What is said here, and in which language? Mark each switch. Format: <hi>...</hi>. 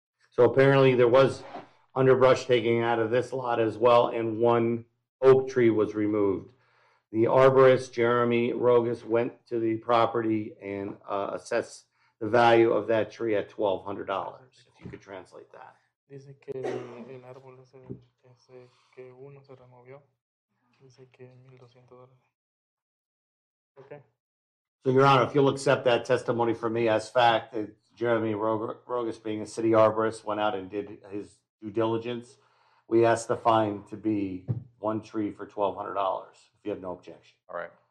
<en>So apparently there was underbrush taken out of this lot as well, and one oak tree was removed. The arborist, Jeremy Rogas, went to the property and assessed the value of that tree at $1,200, if you could translate that.</en> <es>Dice que el árbol ese que uno se removió, dice que $1,200.</es> <en>Okay. So, Your Honor, if you'll accept that testimony from me as fact, that Jeremy Rogas, being a city arborist, went out and did his due diligence, we ask the fine to be one tree for $1,200, if you have no objection. All right.</en>